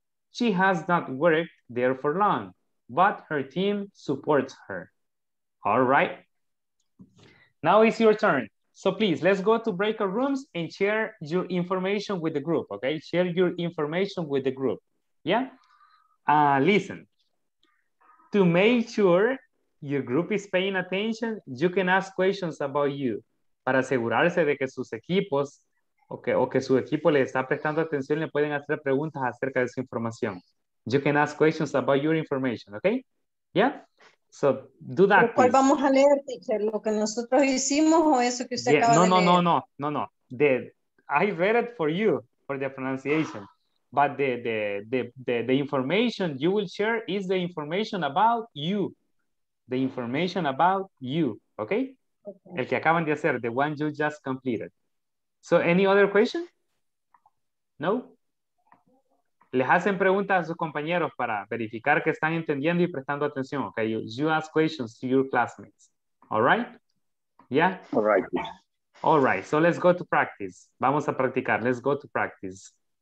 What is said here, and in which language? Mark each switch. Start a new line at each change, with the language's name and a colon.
English: She has not worked there for long, but her team supports her. All right. Now it's your turn. So please, let's go to breakout rooms and share your information with the group, okay? Share your information with the group, yeah? Listen, to make sure your group is paying attention, you can ask questions about you.
Spanish: Para asegurarse de que sus equipos o que su equipo le está prestando atención, le pueden hacer preguntas acerca de su información.
English: You can ask questions about your information, okay? Yeah? So do that.
Spanish: ¿Cuál vamos a leer, teacher? ¿Lo que nosotros hicimos o eso que usted acaba de leer?
English: No. I read it for you, for the pronunciation. But the information you will share is the information about you. The information about you, okay? Okay.
Spanish: El que acaban de hacer,
English: the one you just completed. So any other question? No?
Spanish: Les hacen preguntas a sus compañeros para verificar que están entendiendo y prestando atención, okay?
English: You ask questions to your classmates, all right? Yeah? All right. All right, so let's go to practice.
Spanish: Vamos a practicar,
English: let's go to practice.